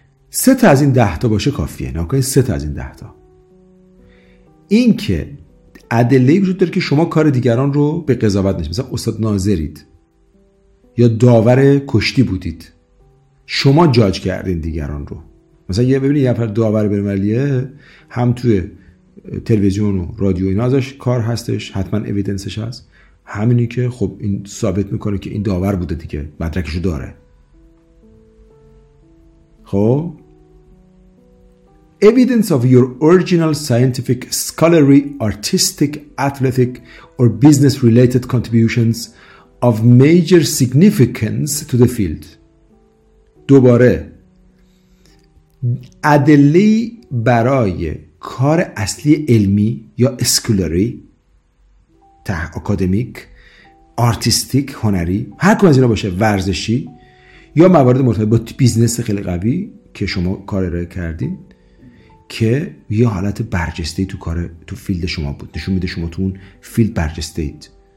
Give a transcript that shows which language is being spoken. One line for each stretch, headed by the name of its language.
Persian: سه تا از این 10 باشه کافیه. ناگهان 3 از این 10 این که ادله وجود داره که شما کار دیگران رو به قضاوت نشید، مثلا استاد ناظرید یا داور کشتی بودید، شما جاج کردین دیگران رو. مثلا یه ببینید یه نفر داور بین‌المللیه، هم توی تلویزیون و رادیو اینا ازش کار هستش، حتما اویدنسش هست، همینی که خب این ثابت میکنه که این داور بوده دیگه، مدرکشو داره.
English: خب evidence of your original scientific, scholarly, artistic, athletic or business related contributions of major significance to the field.
Persian: دوباره ادله برای کار اصلی علمی یا scholarly، اکادمیک، آرتیستیک، هنری، هر کدوم از اینا باشه، ورزشی یا موارد مرتبط با بیزنس خیلی قوی که شما کار ارائه کردین، که یه حالت برجسته‌ای تو کار تو فیلد شما بود، نشون میده شما تو اون فیلد برجسته اید،